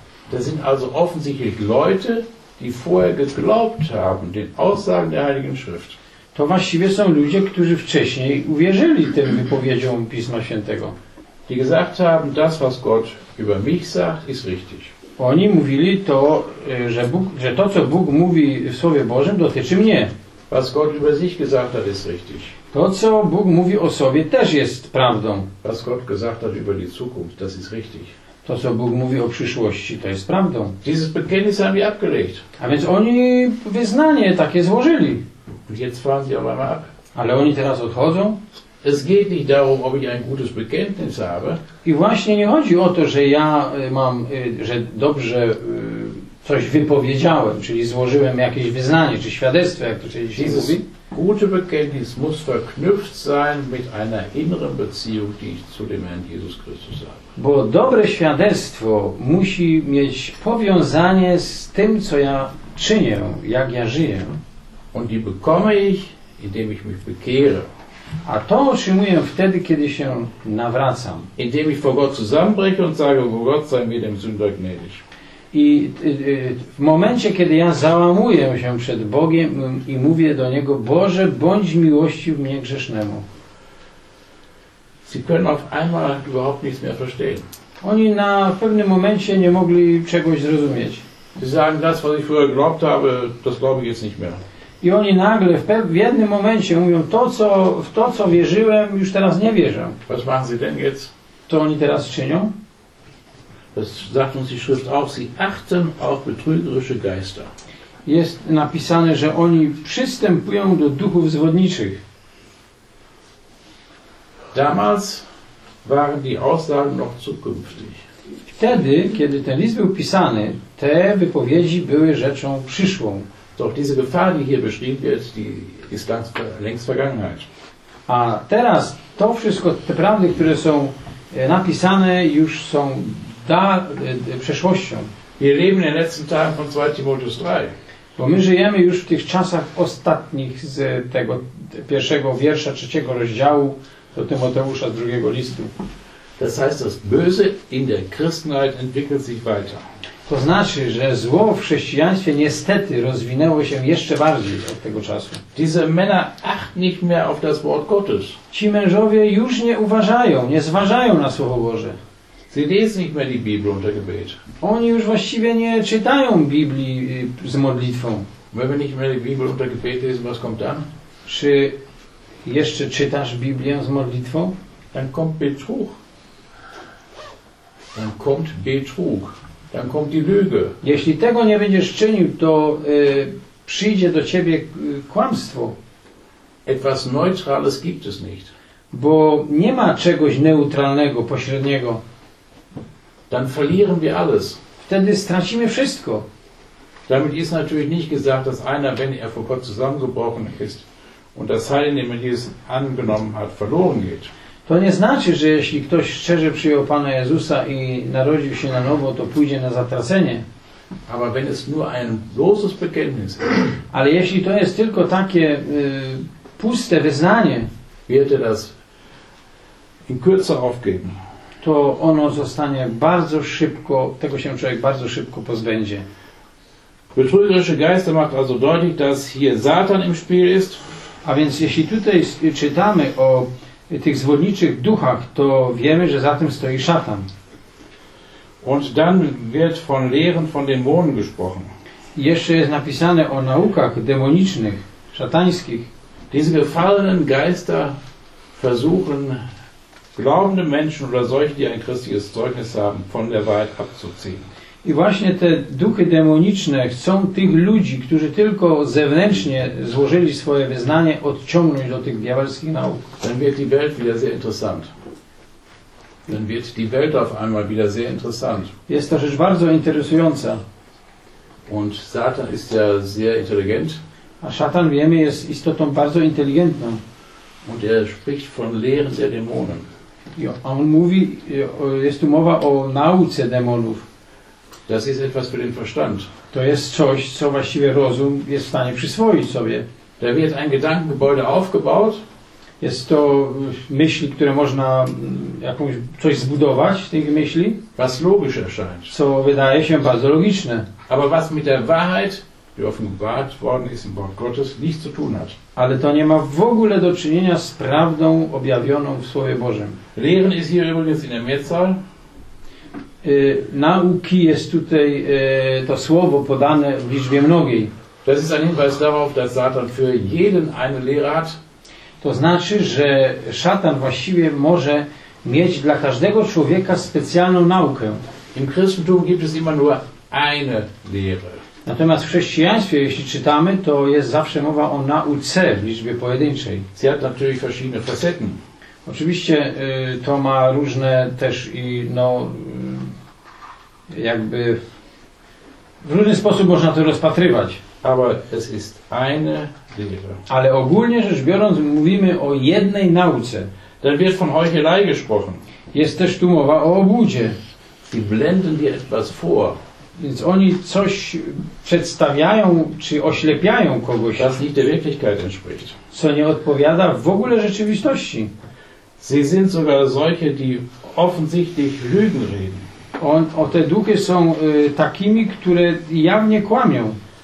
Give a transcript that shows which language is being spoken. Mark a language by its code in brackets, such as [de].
[de] To sind also offensichtlich Leute, die vorher geglaubt haben den Aussagen der Heiligen Schrift. [pl] To właściwie są ludzie, którzy wcześniej uwierzyli tym wypowiedziom Pisma Świętego. [de] Die gesagt haben, das was Gott über mich sagt, ist richtig. [pl] Oni mówili to, że Bóg, że to co Bóg mówi w Słowie Bożym dotyczy mnie. [de] Was Gott über sich gesagt hat, ist richtig. [pl] To co Bóg mówi o sobie też jest prawdą. [de] Was Gott gesagt hat über die Zukunft, das ist richtig. [pl] To, co Bóg mówi o przyszłości, to jest prawdą. [de] Dieses Bekenntnis haben wir abgelegt. [pl] A więc oni wyznanie takie złożyli. [de] Jetzt fahren sie aber ab. [pl] Ale oni teraz odchodzą. [de] Es geht nicht darum, ob ich ein gutes Bekenntnis habe. [pl] I właśnie nie chodzi o to, że ja mam, że dobrze coś wypowiedziałem, czyli złożyłem jakieś wyznanie, czy świadectwo, jak to się dzisiaj [de] dieses [pl] mówi. [de] Gute Bekenntnis muss verknüpft sein mit einer inneren Beziehung, die ich zu dem Herrn Jesus Christus habe. [pl] Bo dobre świadectwo musi mieć powiązanie z tym, co ja czynię, jak ja żyję. [de] Und die bekomme ich, indem ich mich bekehre. [pl] A to otrzymuję wtedy, kiedy się nawracam. [de] Indem ich vor Gott zusammenbreche und sage, wo Gott sei mir dem Sünder gnädig. [pl] I w momencie, kiedy ja załamuję się przed Bogiem i mówię do Niego, Boże, bądź miłościw mnie grzesznemu. [de] Sie können auf einmal überhaupt nichts mehr verstehen. [pl] Oni na pewnym momencie nie mogli czegoś zrozumieć. [de] Sie sagen, das, was ich früher geglaubt habe, das glaube ich jetzt nicht mehr. [pl] I oni nagle w jednym momencie mówią, to co wierzyłem, już teraz nie wierzę. [de] Was machen Sie denn jetzt? [pl] To oni teraz czynią? [de] Das sagt uns die Schrift auch, sie achten auf betrügerische Geister. [pl] Jest napisane, że oni przystępują do duchów zwodniczych. [de] Damals waren die Aussagen noch zukünftig. [pl] Wtedy, kiedy ten list był pisany, te wypowiedzi były rzeczą przyszłą. [de] Doch diese Gefahr, die hier beschrieben wird, die ist längst Vergangenheit. [pl] A teraz to wszystko, te prawdy, które są napisane, już są przeszłością. [de] Wir leben in den letzten Tagen von 2. Timotheus 3. [pl] Bo my żyjemy już w tych czasach ostatnich z tego pierwszego wiersza, trzeciego rozdziału do Tymoteusza, z drugiego listu. [de] Das heißt, das Böse in der Christenheit entwickelt sich weiter. [pl] To znaczy, że zło w chrześcijaństwie niestety rozwinęło się jeszcze bardziej od tego czasu. [de] Diese Männer achten nicht mehr auf das Wort Gottes. [pl] Ci mężowie już nie uważają, nie zważają na Słowo Boże. [de] Sie lesen nicht mehr die Bibel unter Gebet. [pl] Oni już właściwie nie czytają Biblii z modlitwą. [de] Wenn wir nicht mehr die Bibel unter Gebet lesen, was kommt dann? [pl] Czy jeszcze czytasz Biblię z modlitwą? [de] Dann kommt Betrug. Dann kommt Betrug. Dann kommt die Lüge. [pl] Jeśli tego nie będziesz czynił, to przyjdzie do ciebie kłamstwo. [de] Etwas Neutrales gibt es nicht. [pl] Bo nie ma czegoś neutralnego, pośredniego. [de] Dann verlieren wir alles. [pl] Wtedy stracimy wszystko. [de] Damit ist natürlich nicht gesagt, dass einer, wenn er vor Gott zusammengebrochen ist und das Heil, dem er dieses angenommen hat, verloren geht. [pl] To nie znaczy, że jeśli ktoś szczerze przyjął Pana Jezusa i narodził się na nowo, to pójdzie na zatracenie. [de] Aber wenn es nur ein bloßes Bekenntnis ist. [pl] Ale jeśli to jest tylko takie puste wyznanie, [de] wird er das in Kürze aufgeben. [pl] To ono zostanie bardzo szybko, tego się człowiek bardzo szybko pozbędzie. [de] Betrügerische Geister macht also deutlich, dass hier Satan im Spiel ist. [pl] A więc jeśli tutaj czytamy o tych zwodniczych duchach, to wiemy, że za tym stoi szatan. [de] Und dann wird von Lehren von Dämonen gesprochen. [pl] I jeszcze jest napisane o naukach demonicznych, szatańskich. [de] Diese gefallenen Geister versuchen, glaubende Menschen oder solche, die ein christliches Zeugnis haben, von der Wahrheit abzuziehen. [pl] I właśnie te duchy demoniczne chcą tych ludzi, którzy tylko zewnętrznie złożyli swoje wyznanie, odciągnąć do tych diabelskich nauk. [de] Dann wird die Welt wieder sehr interessant. Dann wird die Welt auf einmal wieder sehr interessant. [pl] Jest to rzecz bardzo interesująca. [de] Und Satan ist ja sehr intelligent. [pl] A szatan, wiemy, jest istotą bardzo inteligentną. [de] Und er spricht von Lehren der Dämonen. [pl] A on mówi, jest tu mowa o nauce demonów. [de] Das ist etwas für den Verstand. [pl] To jest coś, co właściwie rozum jest w stanie przyswoić sobie. [de] Da wird ein Gedankengebäude aufgebaut. [pl] Jest to myśli, które można jakąś coś zbudować w tych myśli. [de] Was logisch erscheint. [pl] Co wydaje się bardzo logiczne. [de] Aber was mit der Wahrheit, die offenbart worden ist im Wort Gottes, nichts zu tun hat. [pl] Ale to nie ma w ogóle do czynienia z prawdą objawioną w Słowie Bożym. [de] Lehren ist hier übrigens in der Mehrzahl. [pl] Nauki jest tutaj to słowo podane w liczbie mnogiej. [de] Das ist ein Hinweis darauf, dass Satan für jeden eine Lehre hat. [pl] To znaczy, że szatan właściwie może mieć dla każdego człowieka specjalną naukę. [de] Im Christentum gibt es immer nur eine Lehre. [pl] Natomiast w chrześcijaństwie, jeśli czytamy, to jest zawsze mowa o nauce w liczbie pojedynczej. [de] Sie hat natürlich verschiedene Facetten. [pl] Oczywiście to ma różne też i no jakby w różny sposób można to rozpatrywać. [de] Aber es ist eine Lehre. [pl] Ale ogólnie rzecz biorąc mówimy o jednej nauce. [de] Dann wird von Heuchelei gesprochen. [pl] Jest też tu mowa o obłudzie. [de] Sie blenden dir etwas vor. [pl] Więc oni coś przedstawiają czy oślepiają kogoś, [de] das nicht der Wirklichkeit entspricht. [pl] Co nie odpowiada w ogóle rzeczywistości. [de] Sie sind sogar solche, die offensichtlich Lügen reden. Und [pl] te duchy są takimi, które jawnie kłamią.